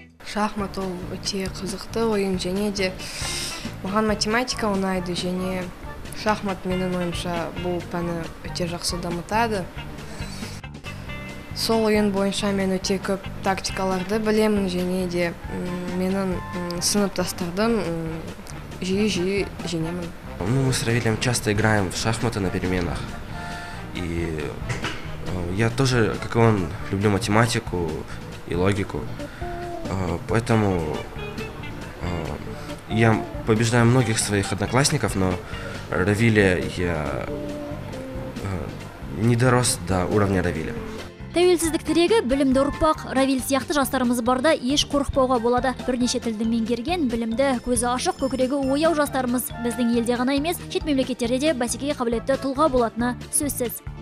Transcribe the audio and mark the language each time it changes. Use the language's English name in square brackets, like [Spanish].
[Kazakh] Шахмат ол өте қызықты ойын және де маған математика ұнайды және шахмат менің ойымша бұл пәні өте жақсы дамытады. Сол ойын бойынша мен өте көп тактикаларды білемін және де менің сыныптастардым жиі-жиі жеңемін. [Russian] Мы с Равилем часто играем в шахматы на переменах. И я тоже, как и он, люблю математику и логику. Поэтому я побеждаю многих своих одноклассников, но Равиля я не дорос до уровня Равиля. [Kazakh] Тәуелсіздік тірегі білімді ұрпақ. Равиль сияқты жастарымыз барда еш қорықпауға болады. Бірнеше тілді меңгерген білімді көзі ашық көкірегі ояу жастарымыз біздің елде ғана емес, шет мемлекеттерде де бәсекеге қабілетті тұлға болатыны сөзсіз.